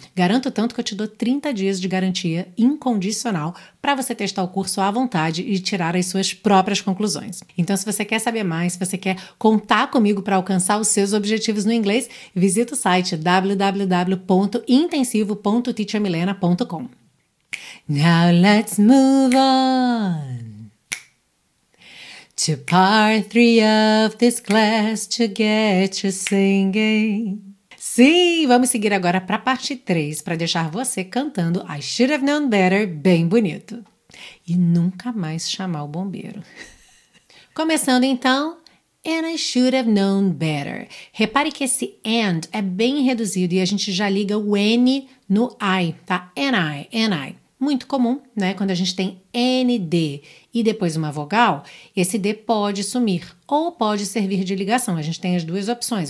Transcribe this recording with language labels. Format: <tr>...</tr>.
<pt>Garanto tanto que eu te dou 30 dias de garantia incondicional para você testar o curso à vontade e tirar as suas próprias conclusões. Então, se você quer saber mais, se você quer contar comigo para alcançar os seus objetivos no inglês, visita o site www.intensivo.teachermilena.com.</pt> <en>Now let's move on to part 3 of this class to get you singing.</en> <pt>Sim, vamos seguir agora para a parte 3, para deixar você cantando I Should Have Known Better bem bonito. E nunca mais chamar o bombeiro. Começando então,</pt> <en>and I should have known better.</en> <pt>Repare que esse and é bem reduzido e a gente já liga o N no I, tá? And I. Muito comum, né? Quando a gente tem ND e depois uma vogal, esse D pode sumir ou pode servir de ligação. A gente tem as duas opções.</pt>